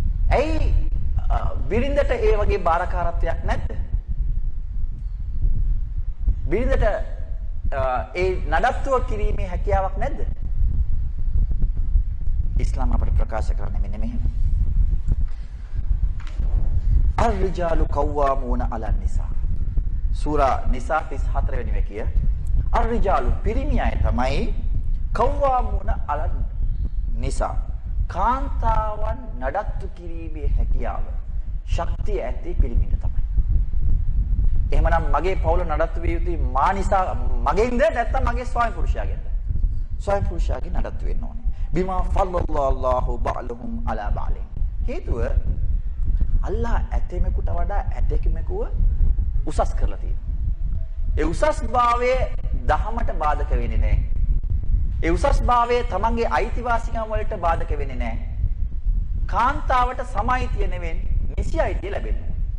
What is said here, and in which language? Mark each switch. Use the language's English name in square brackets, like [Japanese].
[Sinhala] ඇයි බිරිඳට ඒ වගේ බාරකාරත්වයක් නැද්ද? බිරිඳට ඒ නඩත්තුව කිරීමේ හැකියාවක් නැද්ද? ඉස්ලාම අපට ප්‍රකාශ කරන්නේ මෙන්න මෙහෙම. [Arabic] الرجال قوامون على النساء. [Sinhala] සූරා නිසා 34 වෙනි වැකිය. [Arabic] الرجال [Sinhala] පිරිමි අය තමයි [Arabic] قوامون على النساء. [Sinhala] කාන්තාවන් නඩත්තු කිරීමේ හැකියාව ශක්තිය ඇති පිරිමිට තමයි. එහෙමනම් මගේ පවුල නඩත්තු විය යුතුයි මා නිසා මගෙන්ද නැත්නම් මගේ ස්වාමි පුරුෂයාගෙන්ද? ස්වාමි පුරුෂයාගෙන් නඩත්තු වෙන්න ඕනේ. [Arabic] بما فضل الله بعضهم على بعض. [Sinhala] හේතුව අල්ලා ඇතෙමෙකුට වඩා ඇතෙකෙමෙකුව උසස් කරලා තියෙනවා. ඒ උසස්භාවයේ දහමට බාධක වෙන්නේ නැහැ. ඒ උසස්භාවයේ තමන්ගේ අයිතිවාසිකම් වලට බාධක වෙන්නේ නැහැ. කාන්තාවට සමයිතිය නෙවෙයි නිසි අයිතිය ලැබෙන්නේ.